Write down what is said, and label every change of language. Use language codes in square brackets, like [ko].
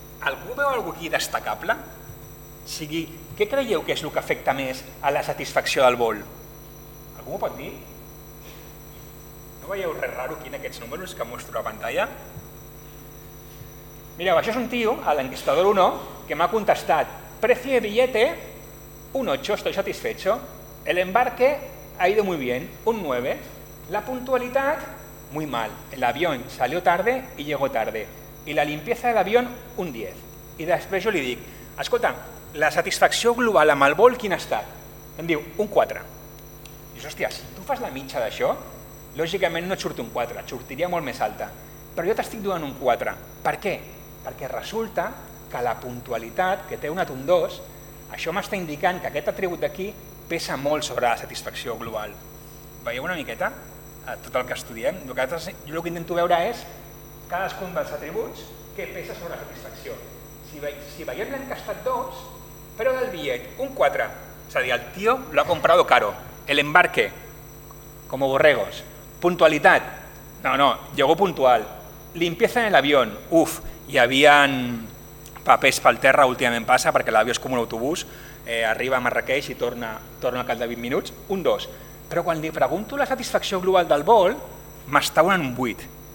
[ca] Algú veu algú aquí destacable? O sigui, què creieu que és el que afecta més a la satisfacció del vol? Algú m'ho pot dir? No veieu res raro aquí en aquests números que mostro a pantalla? Mireu, això és un tio, l'enquistador 1, que m'ha contestat [es] precio de billete, [ca] un 8, [es] estoy satisfecho. El embarque ha ido muy bien, un 9. La puntualidad, muy mal. El avión salió tarde y llegó tarde. Y la limpieza del avión, un 10. [ca] I després jo li dic, escolta, la satisfacció global amb el vol, quin ha estat? Em diu, un 4. I dius, hòstia, si tu fas la mitja d'això, lògicament no et surt un 4, et sortiria molt més alta. Però jo t'estic donant un 4. Per què? Perquè resulta que la puntualitat, que té un atom 2, això m'està indicant que aquest atribut d'aquí pesa molt sobre la satisfacció global. Veieu una miqueta tot el que estudiem? Jo el que intento veure és cadascun dels atributs que pesa sobre la satisfacció. Si veiem l'encastat 2, però del billet, un 4. És a dir, [es] el tio lo ha comprado caro. El embarque, como borregos. Puntualitat, no, llegó puntual. Limpieza en el avión, [ca] uf, hi havien papers pel terra, últimament passa, perquè l'avió és com un autobús, arriba a Marrakeix i torna a cap de 20 minuts, un 2. Però quan li pregunto la satisfacció global del vol, m'està donant un 8.